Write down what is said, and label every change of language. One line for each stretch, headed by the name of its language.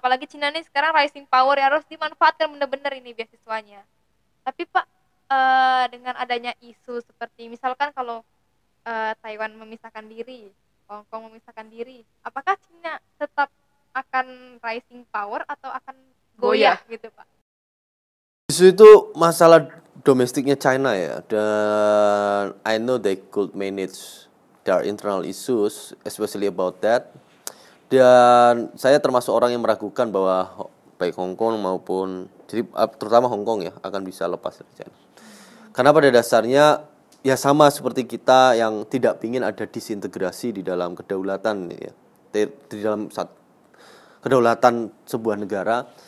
Indonesian: Apalagi Cina ini sekarang rising power ya, harus dimanfaatkan benar-benar ini beasiswanya. Tapi Pak, dengan adanya isu seperti misalkan kalau Taiwan memisahkan diri, Hong Kong memisahkan diri, apakah Cina tetap akan rising power atau akan goyah gitu Pak? Isu itu masalah domestiknya China ya, dan
English: I know they could manage their internal issues, especially about that.
Indonesian: Dan saya termasuk orang yang meragukan bahwa baik Hong Kong maupun, terutama Hong Kong ya, akan bisa lepas dari China. Karena pada dasarnya ya sama seperti kita yang tidak ingin ada disintegrasi di dalam kedaulatan ya, di dalam kedaulatan sebuah negara.